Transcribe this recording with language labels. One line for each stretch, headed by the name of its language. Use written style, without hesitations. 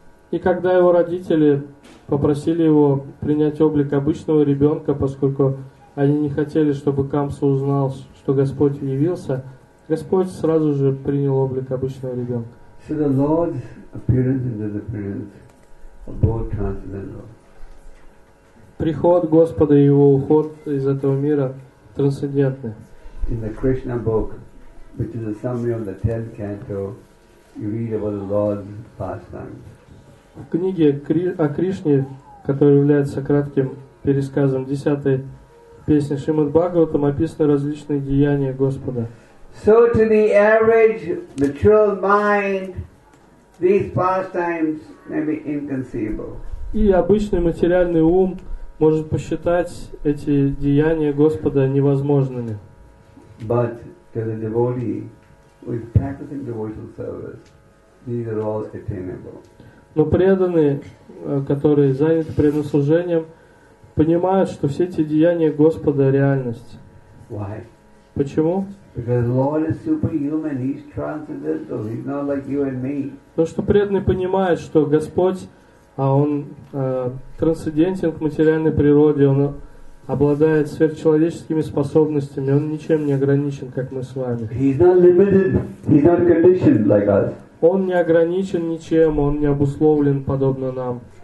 Russian: И когда его родители попросили его принять облик обычного ребенка, поскольку они не хотели, чтобы Камса узнал, что Господь явился, Господь сразу же принял облик обычного ребенка.
English: So the Lord's appearance and disappearance are both transcendental.
Russian: Приход Господа и его уход из этого мира трансцендентны.
English: In the Krishna book, which is a summary of the 10th canto, you read about the Lord's pastimes.
Russian: В книге о Кришне, которая является кратким пересказом 10-й песни Шримад-Бхагаватам, описаны различные деяния Господа.
English: So to the average material mind, these pastimes may be inconceivable.
Russian: И обычный материальный ум может посчитать эти деяния Господа невозможными.
English: But to the devotee who is practicing devotional service, these are all attainable.
Russian: Но преданные, которые заняты преданным служением, понимают, что все эти деяния Господа — реальность.
English: Why?
Russian: Почему?
English: Because Lord is superhuman, he's transcendental, he's not like you and me.
Russian: Потому что преданный понимает, что Господь, трансцендентен к материальной природе, он обладает сверхчеловеческими способностями, он ничем не ограничен, как мы с вами.
English: He's not limited, he's not conditioned like us.
Russian: Он не ограничен ничем, он не обусловлен подобно нам.